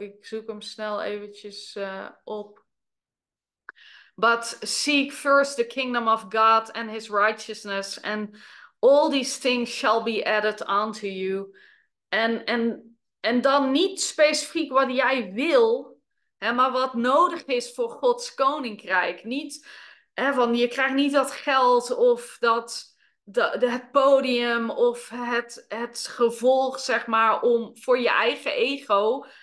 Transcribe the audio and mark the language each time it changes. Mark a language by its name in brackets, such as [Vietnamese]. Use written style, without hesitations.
[Dutch] Ik zoek hem snel eventjes op. [English] But seek first the kingdom of God and his righteousness. And all these things shall be added unto you. [Dutch] En dan niet specifiek wat jij wil, hè, maar wat nodig is voor Gods koninkrijk. Niet, hè, van je krijgt niet dat geld of het podium of het gevolg, zeg maar, om voor je eigen ego.